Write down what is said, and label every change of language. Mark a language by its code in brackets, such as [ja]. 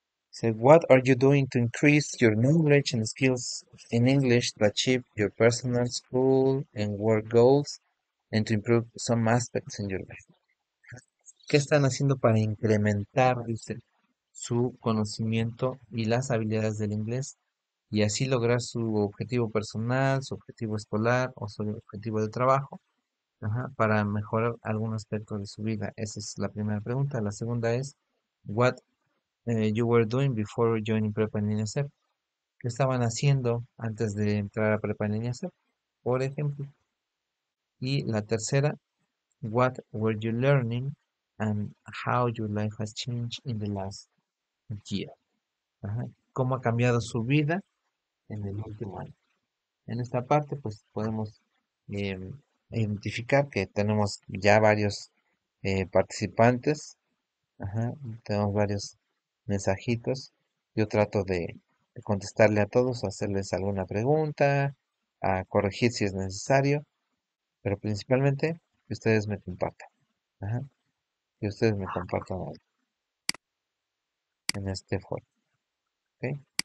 [en] Say, what are you doing to increase your knowledge and skills in English to achieve your personal school and work goals and to improve some aspects in your life? [es] ¿Qué están haciendo para incrementar, dice, su conocimiento y las habilidades del inglés y así lograr su objetivo personal, su objetivo escolar o su objetivo de trabajo, ajá, para mejorar algún aspecto de su vida. Esa es la primera pregunta. La segunda es, [en] what you were doing before joining prepa en INESEP? [es] ¿Qué estaban haciendo antes de entrar a prepa en INESEP, por ejemplo? Y la tercera, [en] what were you learning and how your life has changed in the last year? [es] Ajá. ¿Cómo ha cambiado su vida en el último año? En esta parte, pues podemos identificar que tenemos ya varios participantes, ajá, tenemos varios mensajitos. Yo trato de contestarle a todos, hacerles alguna pregunta, a corregir si es necesario, pero principalmente que ustedes me compartan, ajá, que ustedes me compartan algo en este foro. ¿Okay?